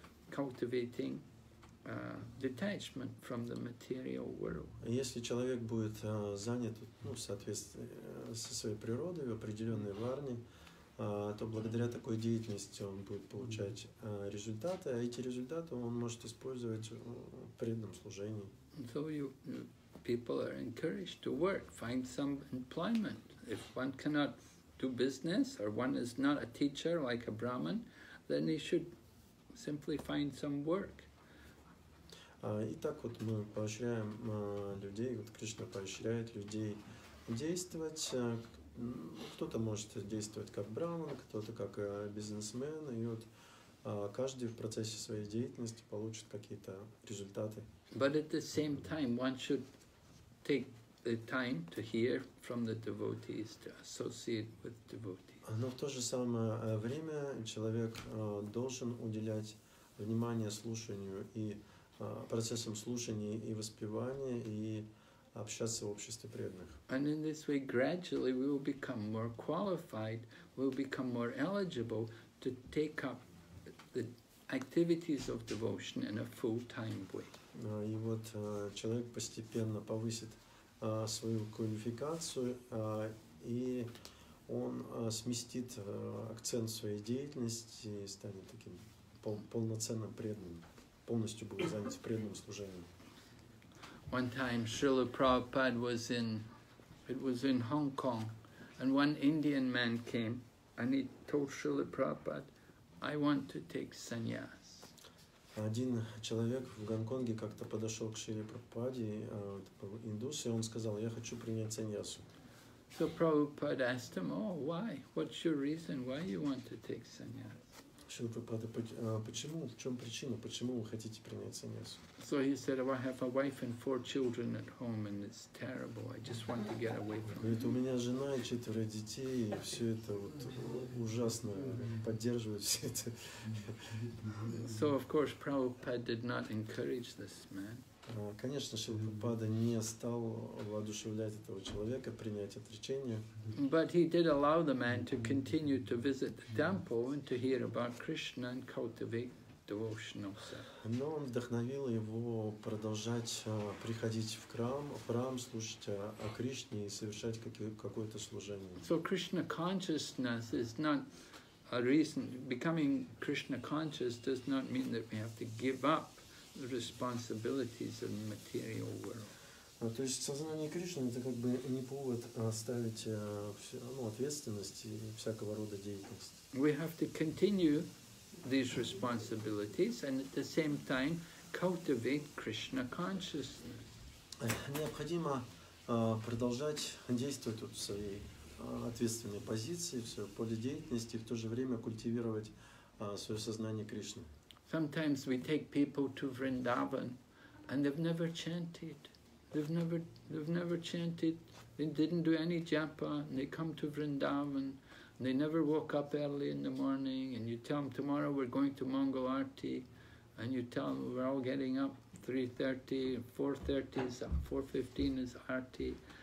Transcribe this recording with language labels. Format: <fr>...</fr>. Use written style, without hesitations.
<en>Cultivating detachment from the material world.</en> <ru>Если человек будет занят, ну, в соответствии со своей природой в определенной варне, то благодаря такой деятельности он будет получать результаты, а эти результаты он может использовать в преданном служении.</ru> <en>So you, people are encouraged to work, find some employment. If one cannot do business or one is not a teacher like a Brahman, then he should simply find some work.</en> <ru>И так вот мы поощряем людей, вот Кришна поощряет людей действовать. Кто-то может действовать как Брахман, кто-то как бизнесмен, и вот каждый в процессе своей деятельности получит какие-то результаты.</ru> <en>But at the same time, one should take the time to hear from the devotees, to associate with devotees.</en> <ru>Но в то же самое время человек должен уделять внимание слушанию и процессом слушания и воспевания и общаться в обществе преданных.</ru> <en>And in this way, gradually we will become more qualified, we will become more eligible to take up the activities of devotion in a full-time way.</en> <ru>И вот человек постепенно повысит свою квалификацию, и он сместит акцент своей деятельности и станет таким полноценным преданным. Полностью будет занят преданным служением.</ru> <en>One time Srila Prabhupada was in, it was in Hong Kong, and one Indian man came and he told Srila Prabhupada, I want to take sannyas.</en> <ru>Один человек в Гонконге как-то подошел к Шриле Прабхупаде, это был индус, и он сказал, я хочу принять саньясу.</ru> <en>So Prabhupada asked him, oh, why? What's your reason? Why you want to take sannyas?</en> <ru>Шрила Прабхупада, почему, в чем причина, почему вы хотите принять саньясу?</ru> <en>So he said, oh, I have a wife and four children at home, and it's terrible. I just want to get away from.</en> <ru>Говорит, у меня жена и четверо детей, и все это вот ужасно поддерживает все это.</ru> <en>So of course, Prabhupada did not encourage this man.</en> <ru>Конечно, Шрила Прабхупада не стал воодушевлять этого человека принять отречение.</ru> <en>But he did allow the man to continue to visit the temple and to hear about Krishna and cultivate devotional service.</en> <ru>Но он вдохновил его продолжать приходить в храм, слушать о Кришне и совершать какое-то служение.</ru> <en>So Krishna consciousness is not a reason. Becoming Krishna conscious does not mean that we have to give up the responsibilities of the material world.</en> <ru>То есть сознание Кришны это как бы не повод ставить ответственность и всякого рода деятельность.</ru> <en>We have to continue these responsibilities and at the same time cultivate Krishna consciousness.</en> <ru>Необходимо продолжать действовать в своей ответственной позиции, в своем поле деятельности, в то же время культивировать свое сознание Кришны.</ru> <en>Sometimes we take people to Vrindavan and they've never chanted. They've never chanted. They didn't do any japa and they come to Vrindavan and they never woke up early in the morning and you tell them tomorrow we're going to Mangal Arati and you tell them we're all getting up 3:30, 4:30 is 4:15 is Arati.</en>